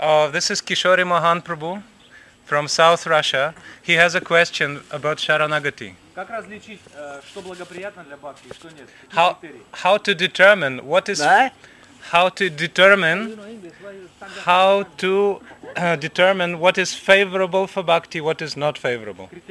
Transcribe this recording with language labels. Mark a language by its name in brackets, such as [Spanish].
[English] This is Kishori Mohan Prabhu from South Russia. He has a question about Sharanagati. [Russian] Как различить, что благоприятно для бхакти и что нет? [English] How to determine what is... How to determine what is favorable for bhakti, what is not favorable.